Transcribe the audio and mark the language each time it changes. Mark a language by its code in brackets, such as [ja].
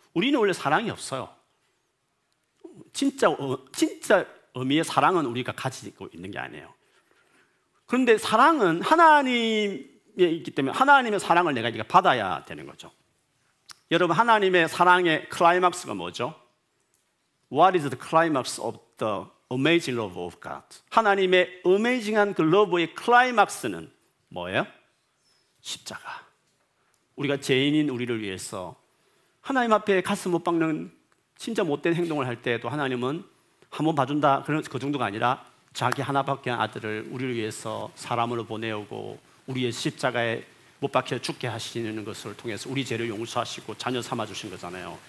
[ko] 우리는 원래 사랑이 없어요. 진짜 의미의 사랑은 우리가 가지고 있는 게 아니에요. 그런데 사랑은 하나님이 있기 때문에 하나님의 사랑을 내가 이렇게 받아야 되는 거죠. 여러분, 하나님의 사랑의 클라이맥스가 뭐죠? [en] What is the climax of the amazing love of God? [ko] 하나님의 amazing한 그 러브의 클라이맥스는 뭐예요? 십자가. 우리가 죄인인 우리를 위해서 하나님 앞에 가슴 못 박는 진짜 못된 행동을 할 때에도 하나님은 한번 봐준다 그런 그 정도가 아니라 자기 하나밖에 한 아들을 우리를 위해서 사람으로 보내오고 우리의 십자가에 못 박혀 죽게 하시는 것을 통해서 우리 죄를 용서하시고 자녀 삼아 주신 거잖아요.